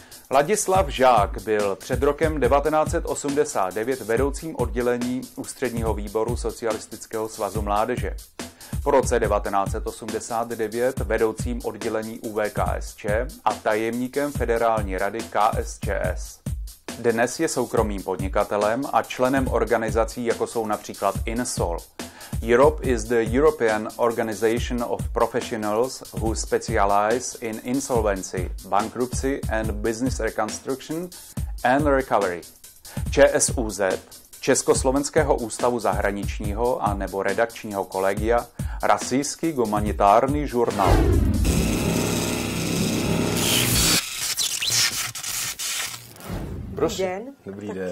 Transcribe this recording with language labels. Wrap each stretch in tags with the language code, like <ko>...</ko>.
<cs>Ladislav Žák byl před rokem 1989 vedoucím oddělení Ústředního výboru Socialistického svazu mládeže. Po roce 1989 vedoucím oddělení UVKSČ a tajemníkem Federální rady KSČS. Dnes je soukromým podnikatelem a členem organizací, jako jsou například INSOL.</cs> <en>Europe is the European Organization of Professionals who specialize in insolvency, bankruptcy and business reconstruction and recovery.</en> <cs>ČSUZ, Československého ústavu zahraničního a nebo redakčního kolegia, Rasijský humanitární žurnál. Dobrý den. Tak</cs>